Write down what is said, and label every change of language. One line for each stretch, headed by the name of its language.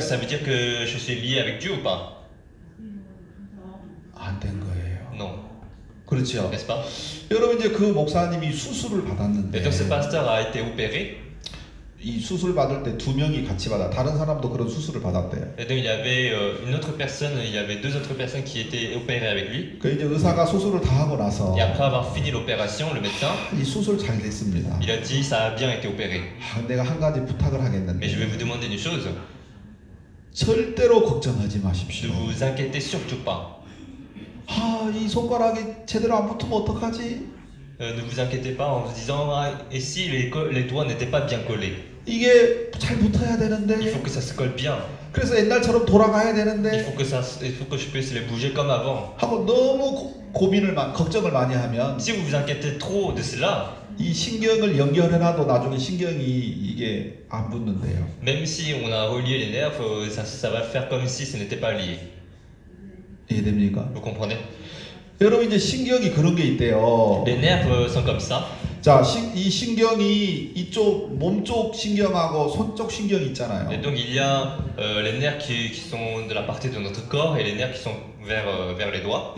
French: Ça veut dire que je suis lié avec Dieu ou pas?
Korean: 안 된 거예요.
French: Non.
Korean: 그렇죠.
French: N'est-ce pas?
Korean: 여러분 이제 그 목사님이 수술을 받았는데.
French: Et donc ce pasteur a été opéré.
Korean: 이 수술 받을 때 두 명이 같이 받아 다른 사람도 그런 수술을 받았대요.
French: Et donc il y avait une autre personne, il y avait deux autres personnes qui étaient opérées avec lui.
Korean: 그 이제 의사가 수술을 다 하고 나서
French: Et après avoir fini l'opération, le médecin
Korean: 이 수술 잘 됐습니다.
French: Il a dit ça a bien été opéré.
Korean: 내가 한 가지 부탁을 하겠는데.
French: Mais je vais vous demander une chose.
Korean: 절대로 걱정하지 마십시오.
French: Ne vous inquiétez surtout pas.
Korean: 아, 이 손가락이 제대로 안 붙으면 어떡하지?
French: Ne vous inquiétez pas en vous disant ah, et si les doigts n'étaient pas bien collés.
Korean: 이게 잘 붙어야 되는데.
French: Il faut que ça se colle bien.
Korean: 그래서 옛날처럼 돌아가야 되는데.
French: Il faut que ça, il faut que je puisse les bouger comme avant.
Korean: 하고 너무 걱정을 많이 하면.
French: Si vous inquiétez trop de cela.
Korean: 이 신경을 연결해놔도 나중에 신경이 이게 안 붙는데요.
French: Même si on a relié les nerfs, ça va faire comme si ce n'était pas lié.
Korean: 이해됩니까?
French: Vous comprenez?
Korean: 여러분 이제 신경이 그런 게 있대요.
French: Les nerfs sont comme ça.
Korean: 자, 이 신경이 이쪽 몸쪽 신경하고 손쪽 신경 있잖아요.
French: Et donc il y a les nerfs qui sont de la partie de notre corps et les nerfs qui sont vers les doigts.